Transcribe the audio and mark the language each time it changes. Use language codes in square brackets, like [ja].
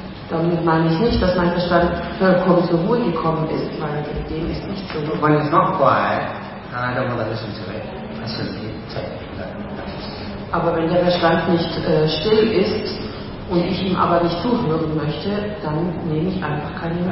[de] Damit meine ich nicht, dass mein Verstand vollkommen zur Ruhe gekommen ist, weil dem ist nicht so. [en] When it's not quiet, and I don't want to listen to it, I simply take that message. [de] Aber wenn der Verstand nicht still ist und ich ihm aber nicht zuhören möchte, dann nehme ich einfach keine